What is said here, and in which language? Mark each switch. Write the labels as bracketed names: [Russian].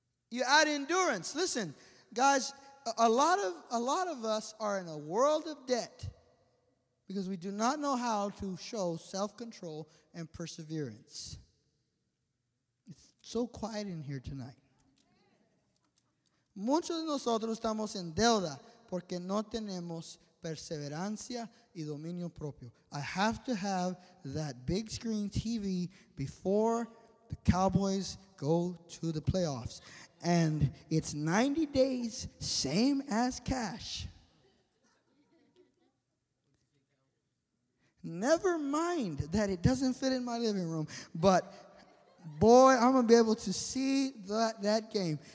[English] You add endurance. Listen, guys, a lot of us are in a world of debt because we do not know how to show self-control and perseverance. It's so quiet in here tonight. [Spanish] Muchos de nosotros estamos en deuda porque no tenemos perseverancia y dominio propio. [English] I have to have that big screen TV before the Cowboys go to the playoffs. And it's 90 days, same as cash. Never mind that it doesn't fit in my living room. But boy, I'm going to be able to see that game.